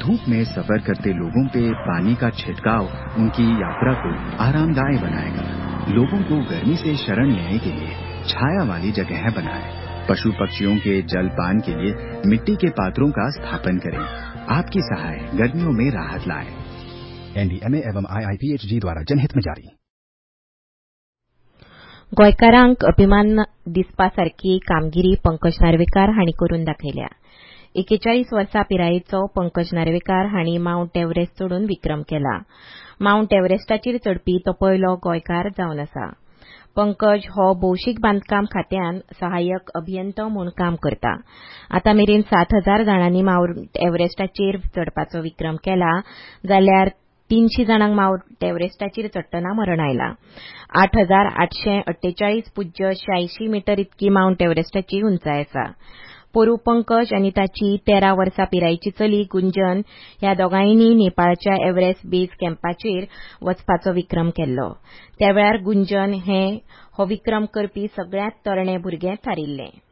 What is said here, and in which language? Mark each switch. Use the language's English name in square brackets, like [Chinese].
[Hindi] धूप में सफर करते लोगों पे पानी का छिड़काव उनकी यात्रा को आरामदायक बनाएगा। लोगों को गर्मी से शरण लेने के लिए छाया वाली जगह बनाएं। पशु पक्षियों के जल पान के लिए मिट्टी के पात्रों का स्थापन करें। आपकी सहाय गर्मियों में राहत लाए। NDMA एवं IIPHG द्वारा जनहित में जारी। [Goan Konkani] गोयकारांक अभिमान दिसपा सारखी कामगिरी पंकज नार्वेकार हांणी करून दाखयल्या। 41 वर्सा पिरायेचो पंकज नार्वेकार हांणी माउंट एव्हरेस्ट चढून विक्रम केला। माउंट एव्हरेस्टाचेर चढपी तो पयलो गोयकार जावन आसा। पंकज हो भौशीक बांदकाम खात्यान सहाय्यक अभियंतो म्हणून काम करता। आता मेरेन 7,000 जाणांनी माउंट एव्हरेस्टाचेर चढपाचो विक्रम केला, जाल्यार 300 जणांक माउंट एव्हरेस्टाचेर चढटना मरण आयला। 8,848 पुज्य 86 मीटर इतकी माउंट एव्हरेस्टाची उंचाय आसा। पोरू पंकज आनी ताची 13 वर्सा पिरायेची चली गुंजन ह्या दोगांयनी नेपाळच्या एव्हरेस्ट बेस कॅम्पाचेर वचपाचो विक्रम केल्लो। त्यावेळार गुंजन हो विक्रम करपी सगळ्यात तरणे भुरगे थारिल्ले।